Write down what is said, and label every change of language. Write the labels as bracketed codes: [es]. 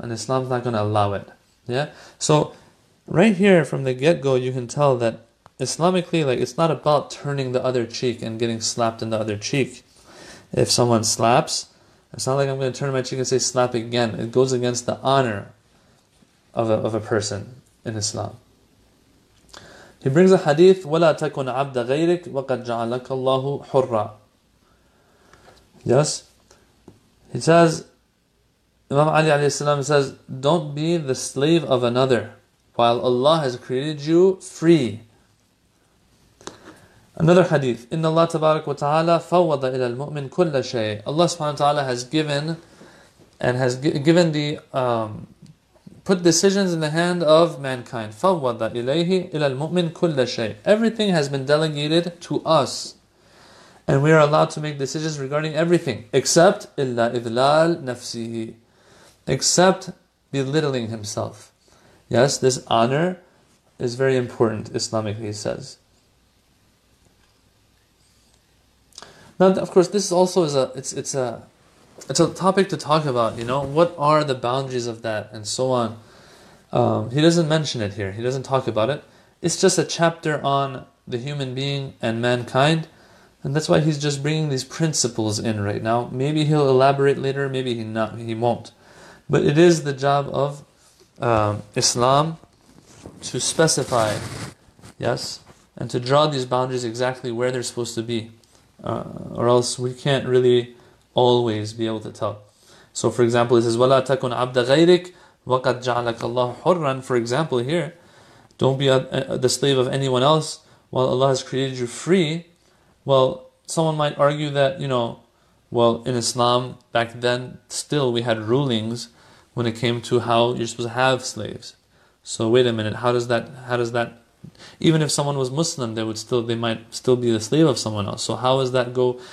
[en] And Islam's not going to allow it. Yeah? So, right here from the get-go, you can tell that Islamically, like, it's not about turning the other cheek and getting slapped in the other cheek. If someone slaps, it's not like I'm going to turn my cheek and say slap again. It goes against the honor of a person in Islam. He brings a hadith, [ar] وَلَا تَكُنْ عَبْدَ غَيْرِكْ وَقَدْ جَعَلَكَ اللَّهُ حُرَّا. [en] Yes? He says, Imam Ali alayhi salam says, don't be the slave of another while Allah has created you free. Another hadith, [ar] إن الله تبارك وتعالى فوض إلى المؤمن كل شيء. [en] Allah subhanahu wa ta'ala has given and has given the put decisions in the hand of mankind. [ar] فوض إليه إلى المؤمن كل شيء. [en] Everything has been delegated to us, and we are allowed to make decisions regarding everything except [ar] إلا إذلال نفسه, [en] except belittling himself. Yes, this honor is very important, Islamically, he says. Now, of course, this also is a topic to talk about. You know, what are the boundaries of that, and so on. He doesn't mention it here. He doesn't talk about it. It's just a chapter on the human being and mankind, and that's why he's just bringing these principles in right now. Maybe he'll elaborate later. Maybe he won't. But it is the job of Islam to specify, yes, and to draw these boundaries exactly where they're supposed to be. Or else we can't really always be able to tell. So for example, it says, [ar] وَلَا تَكُنْ عَبْدَ غَيْرِكْ وَقَدْ جَعَلَكَ اللَّهُ حُرًّا. [en] For example here, don't be the slave of anyone else while Allah has created you free. Well, someone might argue that, you know, well, in Islam, back then, still we had rulings when it came to how you're supposed to have slaves. So wait a minute, how does that even if someone was Muslim, they might still be the slave of someone else. So how does that go?